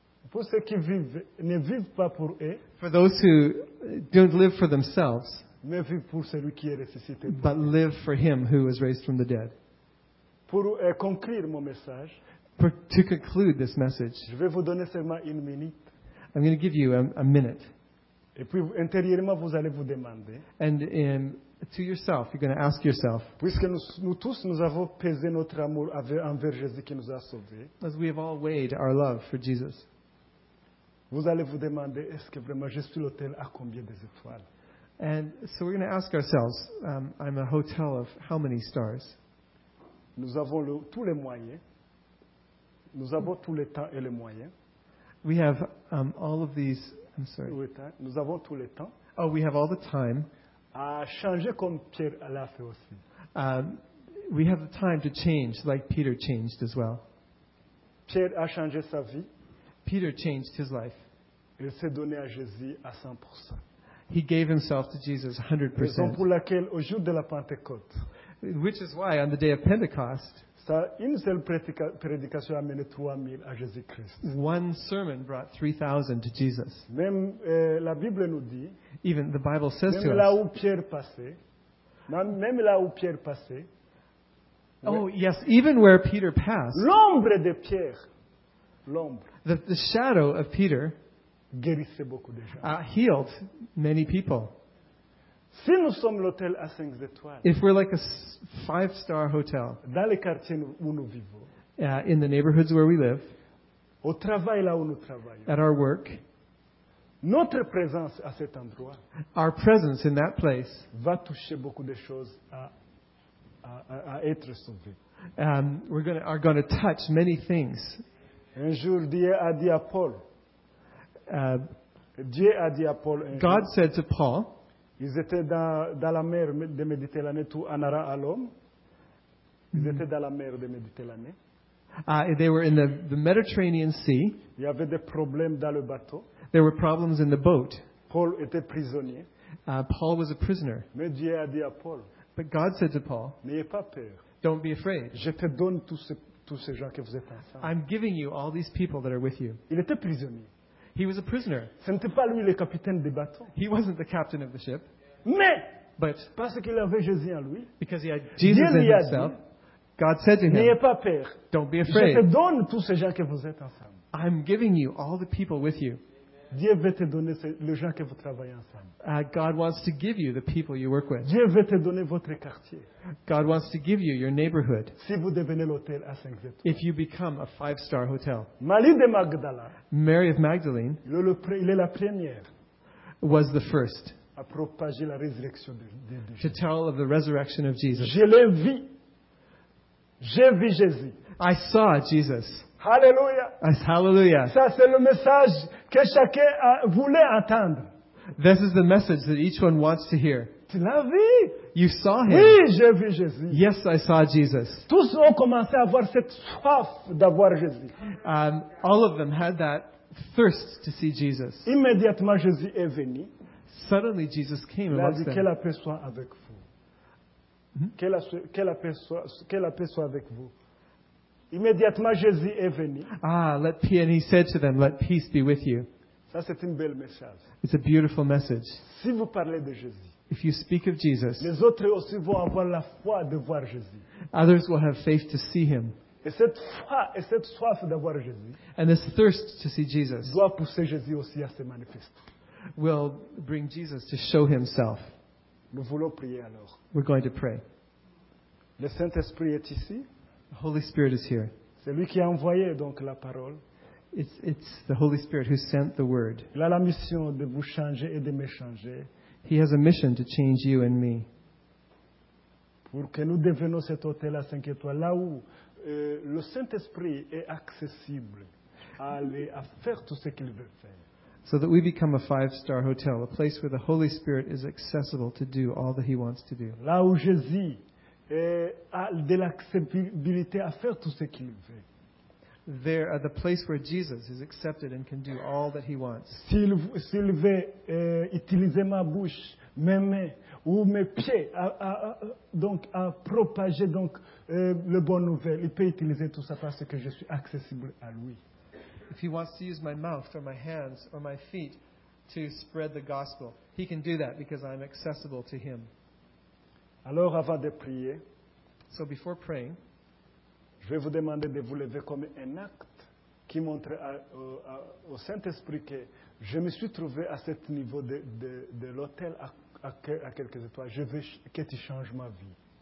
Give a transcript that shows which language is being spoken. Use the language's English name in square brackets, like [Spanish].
[French] Pour ceux qui vivent ne vivent pas pour eux. [English] For those who don't live for themselves. [French] Mais vivent pour celui qui est ressuscité. [English] But live for him who was raised from the dead. [French] Pour conclure mon message, [English] to conclude this message, [French] je vais vous donner seulement une minute. [English] I'm going to give you a minute. [French] Et puis intérieurement, vous allez vous demander. [English] And to yourself, you're going to ask yourself. [French] Puisque nous tous avons pesé notre amour envers Jésus qui nous a sauvés. [English] As we have all weighed our love for Jesus. [French] Vous allez vous demander, est-ce que vraiment je suis l'hôtel à combien des étoiles? [English] And so we're going to ask ourselves, I'm a hotel of how many stars? [French] Nous avons tous les moyens. Nous avons tous les temps et les moyens. [English] We have all of these. I'm sorry. [French] Nous avons tous les temps. [English] Oh, we have all the time. [French] À changer comme Pierre l'a fait aussi. [English] We have the time to change, like Peter changed as well. [French] Pierre a changé sa vie. [English] Peter changed his life. [French] Il s'est donné à Jésus à 100%. [English] He gave himself to Jesus 100%. [French] Raison pour laquelle au jour de la Pentecôte. [English] Which is why on the day of Pentecost. [French] Ça, une seule prédication a amené 3000 à Jésus-Christ. [English] One sermon brought 3000 to Jesus. [French] Même la Bible nous dit. [English] Even the Bible says to us. [French] Même là où Pierre passait. Même là où Pierre passait. [English] Oh yes, even where Peter passed. [French] L'ombre de Pierre. L'ombre. [English] The shadow of Peter. [French] Guérissait beaucoup de gens. [English] Healed many people. [French] Si nous sommes l'hôtel à 5 étoiles. [English] If we're like a 5-star hotel. [French] Dans les quartiers où nous vivons. [English] In the neighborhoods where we live. [French] Au travail là où nous travaillons. [English] At our work. [French] Notre présence à cet endroit. [English] Our presence in that place. [French] Va toucher beaucoup de choses à être sauvé. [English] We're going to touch many things. [French] Un jour Dieu a dit à Paul. Dieu a dit à Paul. [English] God said to Paul. [French] Ils étaient dans la mer de Méditerranée, tout en arrière à l'homme. Ils étaient dans la mer de Méditerranée. [English] They were in the Mediterranean Sea. [French] Il y avait des problèmes dans le bateau. [English] There were problems in the boat. [French] Paul était prisonnier. [English] Paul was a prisoner. [French] Mais Dieu a dit à Paul. [English] But God said to Paul. [French] N'ayez pas peur. [English] Don't be afraid. [French] Je te donne tous ces gens que vous êtes ensemble. [English] I'm giving you all these people that are with you. [French] Il était prisonnier. [English] He was a prisoner. [French] Ce n'était pas lui le capitaine du bateau. [English] He wasn't the captain of the ship. [French] Mais [English] but [French] parce qu'il avait Jésus en lui. [English] Because he had Jesus in himself. God said to him, [French] n'ayez pas peur. [English] Don't be afraid. [French] Je te donne tous ces gens que vous êtes ensemble. [English] I'm giving you all the people with you. [French] Dieu veut te donner les gens que vous travaillez ensemble. [English] God wants to give you the people you work with. [French] Dieu veut te donner votre quartier. [English] God wants to give you your neighborhood. [French] Si vous devenez l'hôtel à 5 étoiles. [English] If you become a 5-star hotel. [French] Marie de Magdala. [English] Mary of Magdalene. [French] Il est la première. [English] Was the first. [French] À propager la résurrection de Jésus. [English] To tell of the resurrection of Jesus. [French] Je l'ai vu. J'ai vu Jésus. [English] I saw Jesus. Hallelujah. Hallelujah. [French] Ça, c'est le message que chacun voulait entendre. [English] This is the message that each one wants to hear. [French] Tu l'as vu? [English] You saw him. [French] Oui, j'ai vu Jésus. [English] Yes, I saw Jesus. [French] Tous ont commencé à avoir cette soif d'avoir Jésus. [English] All of them had that thirst to see Jesus. [French] Immédiatement, Jésus est venu. [English] Suddenly, Jesus came amongst them. [French] Il a dit, que la paix soit avec vous. Que la paix soit avec vous. Immédiatement, Jésus est venu. [English] And he said to them, let peace be with you. [French] Ça, c'est une belle message. [English] It's a beautiful message. [French] Si vous parlez de Jésus, [English] if you speak of Jesus, [French] les autres aussi vont avoir la foi de voir Jésus. [English] Others will have faith to see him. [French] Et cette foi, et cette soif de voir Jésus, [English] and this thirst to see Jesus, [French] doit pousser Jésus aussi à se manifester. [English] Will bring Jesus to show himself. [French] Nous voulons prier alors. [English] We're going to pray. [French] Le Saint-Esprit est ici. [English] The Holy Spirit is here. [French] C'est lui qui a envoyé donc la parole. [English] It's the Holy Spirit who sent the word. [French] Il a la mission de vous changer et de me changer. [English] He has a mission to change you and me. [French] Pour que nous devenions cet hôtel à 5 étoiles, là où le Saint-Esprit est accessible à aller à faire tout ce qu'il veut faire. [English] So that we become a 5-star hotel, a place where the Holy Spirit is accessible to do all that he wants to do. [French] Là où Jésus a de l'accessibilité à faire tout ce qu'il veut. [English] There at the place where Jesus is accepted and can do all that he wants. [French] S'il veut utiliser ma bouche, mes mains ou mes pieds à propager le bonne nouvelle, il peut utiliser tout ça parce que je suis accessible à lui. [English] If he wants to use my mouth or my hands or my feet to spread the gospel, he can do that because I'm accessible to him. [French] Alors, avant de prier, [English] so before praying, [French] je vais vous demander de vous lever comme un acte qui montre au Saint-Esprit que je me suis trouvé à ce niveau de l'hôtel à quelques étoiles. Je veux que tu changes ma vie.